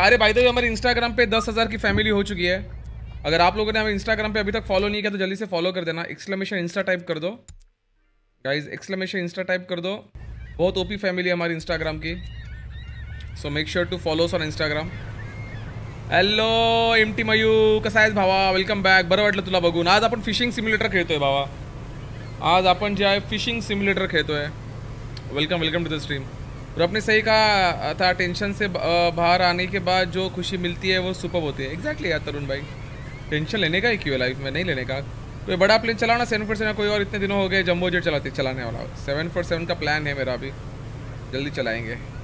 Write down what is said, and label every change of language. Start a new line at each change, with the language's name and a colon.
Hindi: अरे भाई तो हमारे इंस्टाग्राम पे 10,000 की फैमिली हो चुकी है, अगर आप लोगों ने हमें इंस्टाग्राम पे अभी तक फॉलो नहीं किया तो जल्दी से फॉलो कर देना, एक्सक्लेमेशन इंस्टा टाइप कर दो गाइस, एक्सक्लेमेशन इंस्टा टाइप कर दो। बहुत ओपी फैमिली हमारी इंस्टाग्राम की,
English: So make sure to follow us on Instagram.
Marathi: Hello MT mu कसा आहेस भावा, वेलकम बॅक, बरं वाटलं तुला बघून। आज आपण फिशिंग सिम्युलेटर खेळतोय भावा, आज आपण जे आहे फिशिंग सिम्युलेटर खेळतोय।
English: Welcome welcome to the stream.
Hindi: और आपने सही कहा था, टेंशन से बाहर आने के बाद जो खुशी मिलती है वो सुपर होती है। एग्जैक्टली यार तरुण भाई, टेंशन लेने का ही क्यों लाइफ में, नहीं लेने का। कोई बड़ा प्लेन चलाओ ना 747 या कोई और, इतने दिनों हो गए जम्बो जेट चलाते, चलाने वाला 747 का प्लान है मेरा, अभी जल्दी चलाएंगे।